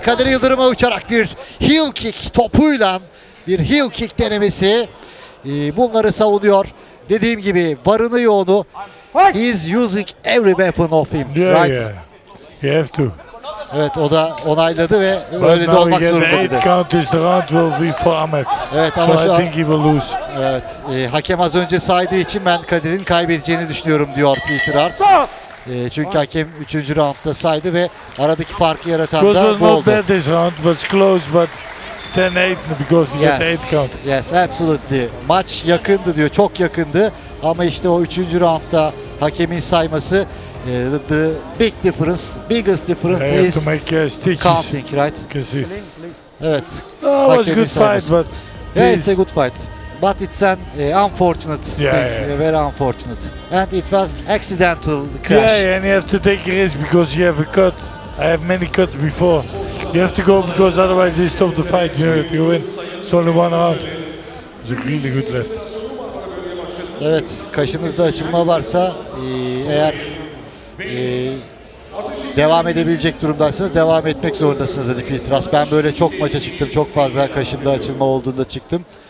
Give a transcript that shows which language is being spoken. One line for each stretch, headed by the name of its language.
Turkish: Kadir Yıldırım'a uçarak bir heel kick topuyla bir heel kick denemesi. Bunları savunuyor. dediğim gibi varını yoğunu.
English: He's using every weapon of him, yeah, right? Yeah. You have to.
Turkish: Evet, o da onayladı ve öyle de olmak zorunda dedi.
English: Eight count is the round will be for Ahmet.
Turkish: Evet,
English: so
Turkish: ama şu an,
English: I think he will lose.
Turkish: Evet, hakem az önce saydığı için ben Kadir'in kaybedeceğini düşünüyorum diyor Peter Arts. Çünkü hakem 3. roundda saydı ve aradaki farkı yaratan
English: because
Turkish: da bu oldu.
English: Because not bad this round, but close, but 10-8 because he got 8 count. Yes, absolutely.
Turkish: Maç yakındı diyor, çok yakındı. Ama işte o 3. roundda hakemin sayması
English: the big difference, biggest difference is counting, right?
Turkish: Evet.
English: Oh, it was a good fight, but yeah, it's a good fight. But it's an unfortunate thing, very unfortunate. And it was accidental crash. Yeah, and you have to take a risk because you have a cut. I have many cuts before. You have to go because otherwise they stop the fight, you know, to win. It's only one round. It's a really good left.
Turkish: Evet, kaşınızda açılma varsa eğer devam edebilecek durumdaysanız devam etmek zorundasınız dedi Peter Arts. Ben böyle çok maça çıktım, çok fazla kaşımda açılma olduğunda çıktım.